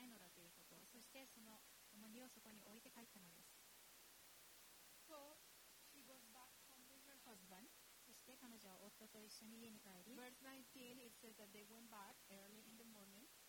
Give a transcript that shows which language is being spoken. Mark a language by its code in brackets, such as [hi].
[ja] そこに置いて帰ったのです。 [en] so, she goes back home with her husband. [ja] そして彼女は夫と一緒に家に帰り、 [en] Verse 19, it says that they went back early in the morning.